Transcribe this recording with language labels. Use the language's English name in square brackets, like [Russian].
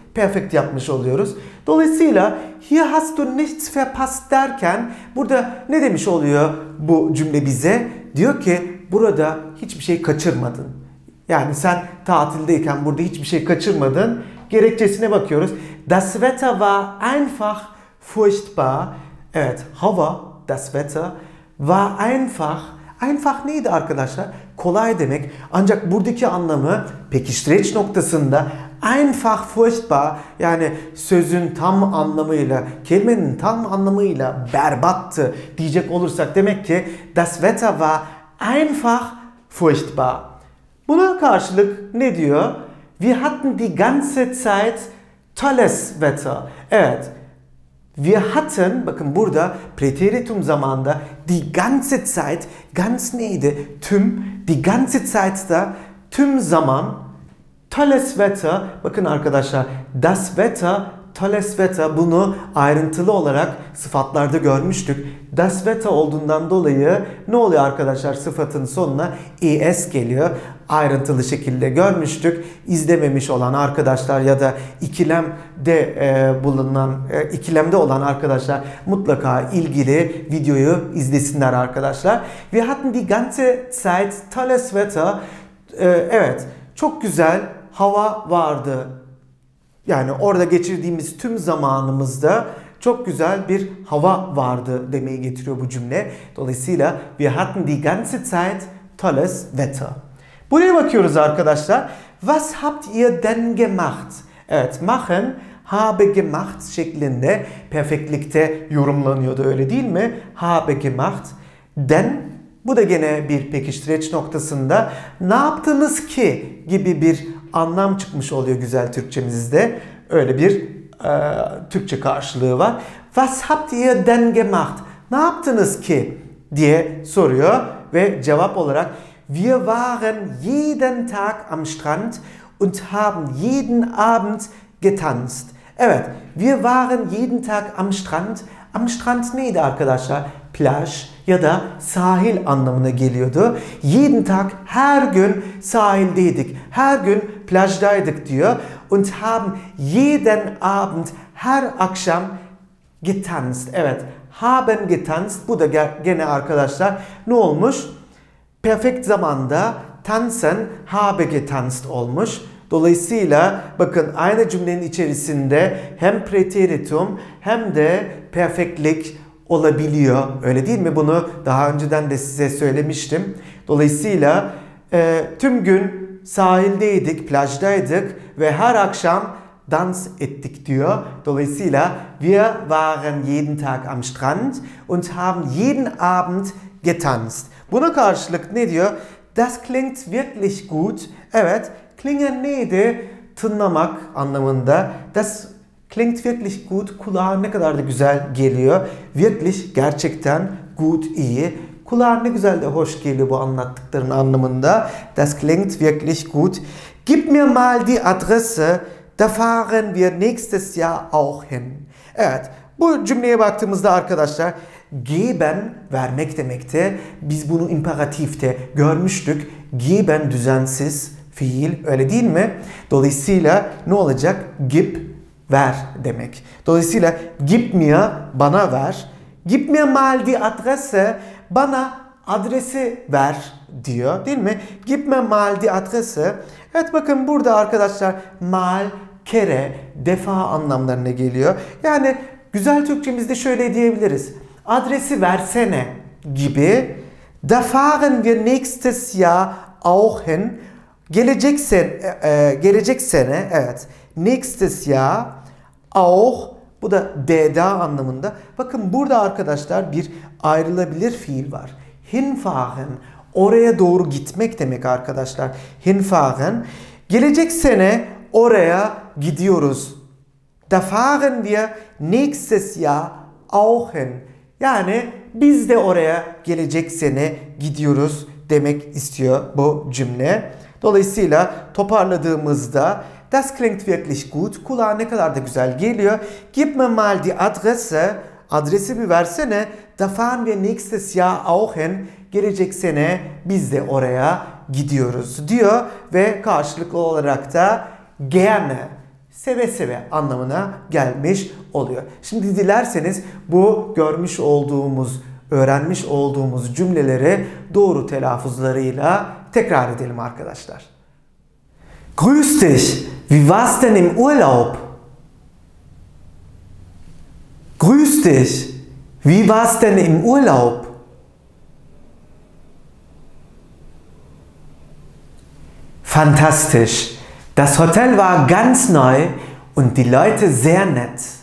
[Turkish] Perfect yapmış oluyoruz. Dolayısıyla [German] hier hast du nichts verpasst [Turkish] derken burada ne demiş oluyor bu cümle bize? Diyor ki burada hiçbir şey kaçırmadın. Yani sen tatildeyken burada hiçbir şey kaçırmadın. Gerekçesine bakıyoruz. [German] Das Wetter war einfach furchtbar. [Turkish] Evet, hava, [German] das Wetter war einfach. [Turkish] Einfach neydi arkadaşlar? Kolay demek. Ancak buradaki anlamı pekiştireç noktasında einfach furchtbar yani sözün tam anlamıyla, kelimenin tam anlamıyla berbattı diyecek olursak demek ki [German] das Wetter war einfach furchtbar. [Turkish] Buna karşılık ne diyor? [German] Wir hatten die ganze Zeit tolles Wetter. [Turkish] Evet. [German] Wir hatten, [Turkish] bakın burada preteritum zamanında [German] die ganze Zeit, [Turkish] ganz neydi? [German] Tüm, die ganze Zeit [Turkish] da tüm zaman [German] tolles Wetter. [Turkish] Bakın arkadaşlar, [German] das Wetter, tolles Wetter [Turkish] bunu ayrıntılı olarak sıfatlarda görmüştük. [German] Das Wetter [Turkish] olduğundan dolayı ne oluyor arkadaşlar? Sıfatın sonuna es geliyor. Ayrıntılı şekilde görmüştük. İzlememiş olan arkadaşlar ya da ikilemde bulunan ikilemde olan arkadaşlar mutlaka ilgili videoyu izlesinler arkadaşlar. [German] Wir hatten die ganze Zeit tolles Wetter. [Turkish] Evet, çok güzel hava vardı. Yani orada geçirdiğimiz tüm zamanımızda çok güzel bir hava vardı demeyi getiriyor bu cümle. [German] Dolayısıyla wir hatten die ganze Zeit tolles Wetter. [Turkish] Buraya bakıyoruz arkadaşlar. [German] Was habt ihr denn gemacht? [Turkish] Evet, machen, [German] habe gemacht [Turkish] şeklinde perfektlikte yorumlanıyordu öyle değil mi? [German] Habe gemacht. [Turkish] Denn, bu da gene bir pekiştireç noktasında. Ne yaptınız ki gibi bir anlam çıkmış oluyor güzel Türkçemizde. Öyle bir Türkçe karşılığı var. [German] Was habt ihr denn gemacht? [Turkish] Ne yaptınız ki diye soruyor ve cevap olarak [German] Wir waren jeden Tag am Strand und haben jeden Abend getanzt. Evet, wir waren jeden Tag am Strand. Am Strand [Turkish] neydi arkadaşlar? Plaj ya da sahil anlamına geliyordu. [German] Jeden Tag, [Turkish] her gün sahildeydik. Her gün plajdaydık diyor. [German] Und haben jeden Abend, [Turkish] her akşam [German] getanzt. Evet, haben getanzt. [Turkish] Bu da gene arkadaşlar ne olmuş? Perfekt zamanda tanzen, [German] habe getanzt [Turkish] olmuş. Dolayısıyla bakın aynı cümlenin içerisinde hem preteritum hem de perfektlik olabiliyor. Öyle değil mi? Bunu daha önceden de size söylemiştim. Dolayısıyla tüm gün sahildeydik, plajdaydık ve her akşam dans ettik diyor. [German] Dolayısıyla wir waren jeden Tag am Strand und haben jeden Abend getanzt. [Turkish] Buna karşılık ne diyor? [German] Das klingt wirklich gut. [Turkish] Evet, klingen neydi? Tınlamak anlamında. [German] Das klingt wirklich gut. [Turkish] Kulağa ne kadar da güzel geliyor. [German] Wirklich, [Turkish] gerçekten, gut, iyi. Kulağa ne güzel de hoş geliyor bu anlattıkların anlamında. [German] Das klingt wirklich gut. Gib mir mal die Adresse, da fahren wir nächstes Jahr auch hin. [Turkish] Evet, bu cümleye baktığımızda arkadaşlar, geben vermek demekti. Biz bunu imperatifte görmüştük. Geben düzensiz fiil, öyle değil mi? Dolayısıyla ne olacak? Gib, ver demek. Dolayısıyla gib mir, bana ver. [German] Gib mir mal die Adresse, [Turkish] bana adresi ver diyor, değil mi? [German] Gib mir mal die Adresse. [Turkish] Evet, bakın burada arkadaşlar mal, kere, defa anlamlarına geliyor. Yani güzel Türkçemizde şöyle diyebiliriz. Adresi versene gibi. [German] Da fahren wir nächstes Jahr auch hin. [Turkish] Gelecek sene, gelecek sene, evet. [German] Nächstes Jahr auch, [Turkish] bu da deda anlamında. Bakın burada arkadaşlar bir ayrılabilir fiil var. Hinfahren, oraya doğru gitmek demek arkadaşlar. Hinfahren, gelecek sene oraya gidiyoruz. [German] Da fahren wir nächstes Jahr auch hin. [Turkish] Yani biz de oraya gelecek sene gidiyoruz demek istiyor bu cümle. Dolayısıyla toparladığımızda [German] das klingt wirklich gut. [Turkish] Kulağa ne kadar da güzel geliyor. [German] Gib mir mal die Adresse. [Turkish] Adresi bir versene. [German] Da fahren wir nächstes Jahr auch hin. [Turkish] Gelecek sene biz de oraya gidiyoruz diyor. Ve karşılıklı olarak da gerne, seve seve anlamına gelmiş oluyor. Şimdi dilerseniz bu görmüş olduğumuz, öğrenmiş olduğumuz cümleleri doğru telaffuzlarıyla tekrar edelim arkadaşlar. [German] Grüß dich, wie war's denn im Urlaub? Grüß dich, wie war's denn im Urlaub? Fantastisch, das Hotel war ganz neu und die Leute sehr nett.